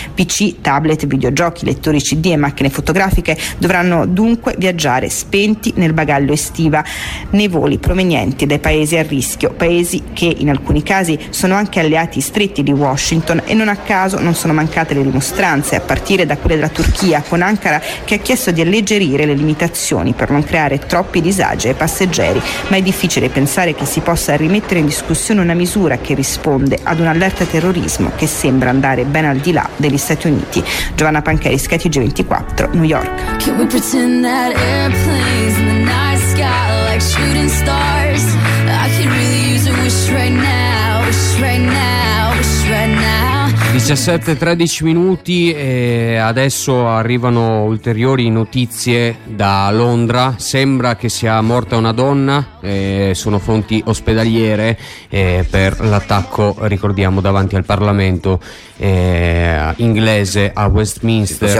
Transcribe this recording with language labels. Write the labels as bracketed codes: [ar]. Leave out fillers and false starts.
[it] PC, tablet, videogiochi, lettori CD e macchine fotografiche dovranno dunque viaggiare spenti nel bagaglio estiva nei voli provenienti dai paesi a rischio, paesi che in alcuni casi sono anche alleati stretti di Washington, e non a caso non sono mancate le rimostranze, a partire da quelle della Turchia, con Ankara che ha chiesto di alleggerire le limitazioni per non creare troppi disagi ai passeggeri. Ma è difficile pensare che si possa rimettere in discussione una misura che risponde ad un allerta terrorismo che sembra andare ben al di là degli Stati Uniti. Giovanna Pancheri, Sky TG24, New York. [en] Can we pretend that airplanes in the night sky are like shooting stars? I could really use a wish right now, wish right now, wish right now. [it] 17:13 minuti e adesso arrivano ulteriori notizie da Londra. Sembra che sia morta una donna, sono fonti ospedaliere, per l'attacco, ricordiamo, davanti al Parlamento inglese a Westminster.